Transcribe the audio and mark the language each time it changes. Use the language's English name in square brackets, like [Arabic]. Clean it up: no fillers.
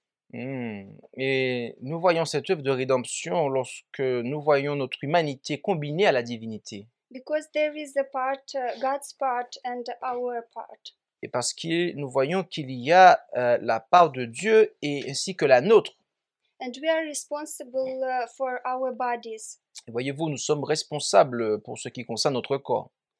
[French] Et nous voyons cette œuvre de rédemption lorsque nous voyons notre humanité combinée à la divinité. [English] Because there is a part, God's part and our part. [French] Et parce que nous voyons qu'il y a la part de Dieu et ainsi que la nôtre. [English] And we are responsible for our bodies. [French] Et voyez-vous, nous sommes responsables pour ce qui concerne notre corps.